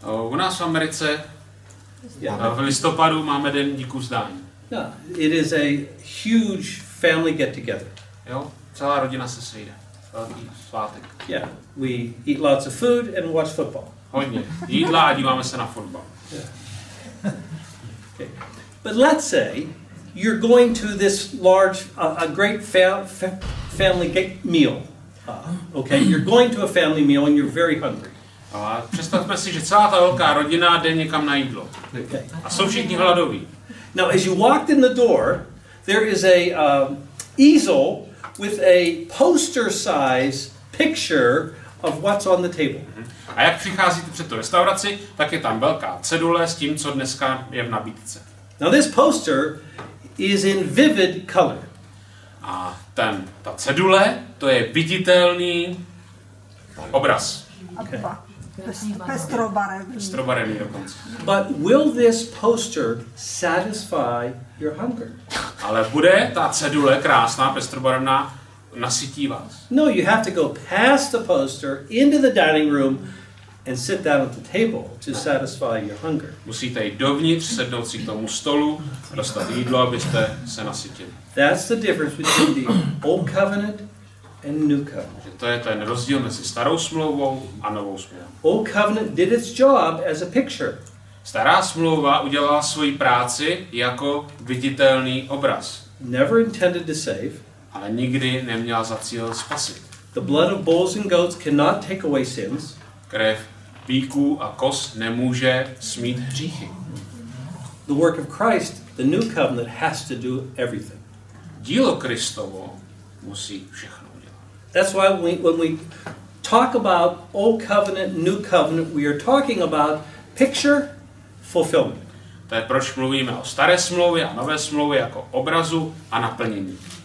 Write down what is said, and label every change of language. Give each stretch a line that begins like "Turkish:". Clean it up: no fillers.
Czech: U nás v Americe v listopadu máme den díků vzdání.
English: Yeah, it is a huge family get together.
Czech: Jo, celá rodina se sejde. Velký svátek.
English: Yeah, we eat lots of food and watch football.
Czech: Hodně. Jídla a díváme se na fotbal.
English: Yeah. Okay. But let's say you're going to this large a great family meal. Okay, you're going to a family meal and you're very hungry.
Czech: Představme si, že celá ta velká rodina jde někam na jídlo. A jsou všichni hladoví.
English: Now, as you walked in the door, there is a easel with a poster-size picture of what's on the table.
Czech: A jak přicházíte před tu restauraci, tak je tam velká cedule s tím, co dneska je v nabídce.
English: Now, this poster is in vivid color.
Czech: A ta cedule, to je viditelný obraz. Okay. Pestrobarevný.
English: But will this poster satisfy your hunger?
Czech: Ale bude ta cedule krásná, pestrobarevná, nasytí vás?
English: No, you have to go past the poster into the dining room and sit down at the table to satisfy your hunger.
Czech: Musíte jít dovnitř, sednout si k tomu stolu, dostat jídlo, abyste se nasytili.
English: That's the difference between the old covenant and new covenant.
Czech: Že to je ten rozdíl mezi starou smlouvou a novou smlouvou.
English: Old covenant did its job as a picture.
Czech: Stará smlouva udělala svoji práci jako viditelný obraz.
English: Never intended to save.
Czech: Ale nikdy neměla za cíl spasit.
English: The blood of bulls and goats cannot take away sins.
Czech: Krev býků a kos nemůže smít hříchy.
English: The work of Christ, the new covenant, has to do everything.
Czech: Dílo Kristovo musí všechno.
English: That's why when we talk about old covenant, new covenant, we are talking about picture fulfillment.
Czech: To je, proč mluvíme o staré smlouvě a nové smlouvě jako obrazu a naplnění.